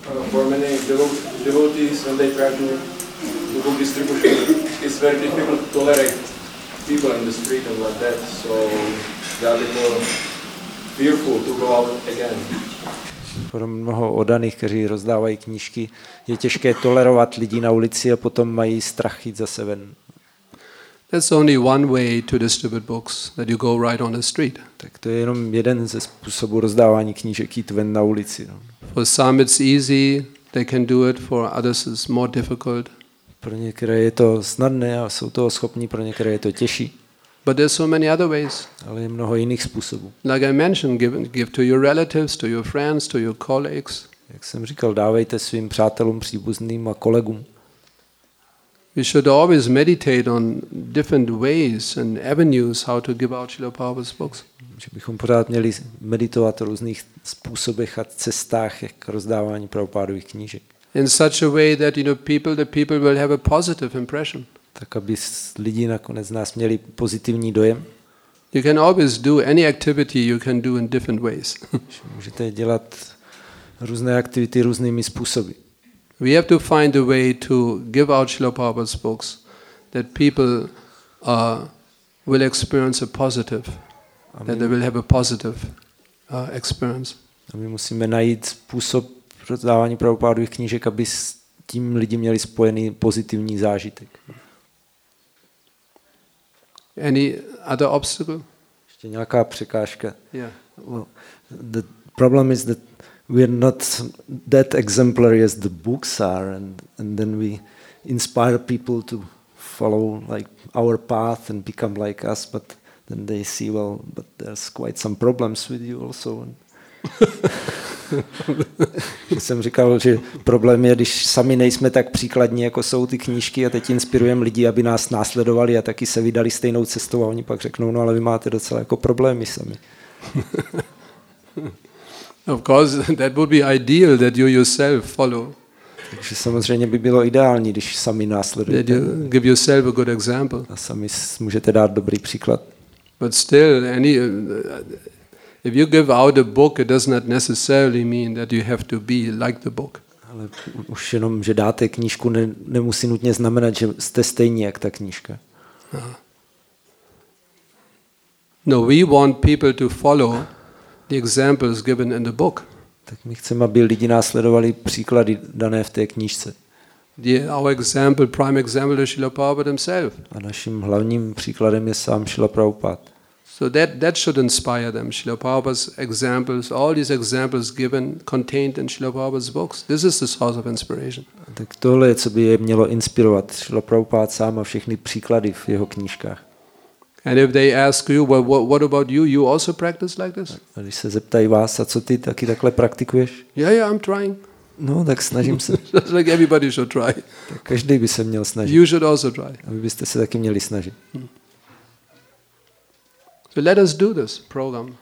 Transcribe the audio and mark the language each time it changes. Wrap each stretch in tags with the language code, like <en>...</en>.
<en>For many devotees, when they try to do book distribution, it's very difficult to tolerate people in the street and like that, so they are a little fearful to go out again.</en> <cs>Pro mnoho oddaných, kteří rozdávají knížky, je těžké tolerovat lidi na ulici a potom mají strach jít zase ven.</cs> <en>That's only one way to distribute books, that you go right on the street.</en> <cs>Tak to je jenom jeden ze způsobů rozdávání knížek, jít ven na ulici.</cs> <en>No. For some it's easy, they can do it, for others it's more difficult.</en> <cs>Pro některé je to snadné a jsou toho schopní, pro některé je to těžší.</cs> <en>But there's so many other ways.</en> <cs>Ale je mnoho jiných způsobů.</cs> <en>Like I mentioned, give to your relatives, to your friends, to your colleagues.</en> <cs>Jak jsem říkal, dávejte svým přátelům, příbuzným a kolegům.</cs> <en>We should always meditate on different ways and avenues how to give out Srila Prabhupada's books.</en> <cs>Že bychom pořád měli meditovat o různých způsobech a cestách k rozdávání Prabhupádových knížek.</cs> <en>In such a way that you know the people will have a positive impression.</en> <cs>Tak aby lidi nakonec z nás měli pozitivní dojem.</cs> <en>You can always do any activity you can do in different ways.</en> <cs>Můžete dělat různé aktivity různými způsoby.</cs> <en>We have to find a way to give out Srila Prabhupada's books that people will experience a positive, that they will have a positive experience.</en> <cs>A my musíme najít způsob rozdávání Prabhupádových knížek, aby s tím lidi měli spojený pozitivní zážitek.</cs> <en>Any other obstacle?</en> <cs>Ještě nějaká překážka.</cs> <en>Yeah. Well, the problem is that we are not that exemplary as the books are, and then we inspire people to follow like our path and become like us, but then they see, well, but there's quite some problems with you also.</en> <cs>Jsem říkal, že problém je, když sami nejsme tak příkladní, jako jsou ty knížky, a teď inspirujeme lidi, aby nás následovali a taky se vydali stejnou cestou, a oni pak řeknou, no ale vy máte docela jako problémy sami.</cs> <en>Of course, that would be ideal that you yourself follow.</en> <cs>Takže samozřejmě by bylo ideální, když sami následujete.</cs> <en>That you give yourself a good example.</en> <cs>A sami můžete dát dobrý příklad.</cs> <en>But still, if you give out a book, it does not necessarily mean that you have to be like the book.</en> <cs>Ale už jenom, že dáte knížku, nemusí nutně znamenat, že jste stejní jak ta knížka.</cs> <en>No, we want people to follow the examples given in the book.</en> <cs>Tak my chceme, aby lidi následovali příklady dané v té knížce.</cs> <en>Our example, prime example, is Srila Prabhupada himself.</en> <cs>A naším hlavním příkladem je sám Srila Prabhupada.</cs> <en>So that should inspire them. Srila Prabhupada's examples, all these examples given, contained in Srila Prabhupada's books. This is the source of inspiration.</en> <cs>Tak tohle je, co by je mělo inspirovat. Srila Prabhupada sám a všechny příklady v jeho knížkách.</cs> <en>And if they ask you, well, what about you? You also practice like this?</en> <cs>A když se zeptají vás, a co ty taky takhle praktikuješ?</cs> <en>Yeah, I'm trying.</en> <cs>No, tak snažím se.</cs> <en>Just like everybody should try.</en> <cs>Tak každý by se měl snažit.</cs> <en>You should also try.</en> <cs>A vy byste se taky měli snažit.</cs> <en>So let us do this program.</en>